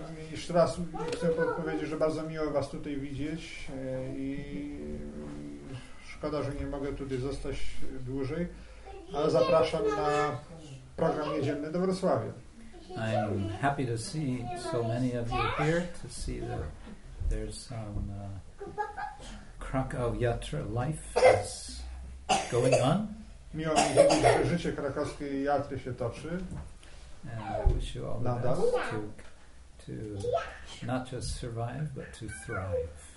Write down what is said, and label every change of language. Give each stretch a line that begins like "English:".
Polish: Jeszcze raz chcę powiedzieć, że bardzo miło was tutaj widzieć i szkoda, że nie mogę tutaj zostać dłużej, ale zapraszam na program niedzielny do Wrocławia.
English: I'm happy to see so many of you here, to see that there's some Krakow Yatra life is going on.
Polish: Miło mi widzieć, że życie krakowskiej Jatry się toczy.
English: And I wish you all the best to not just survive, but to thrive.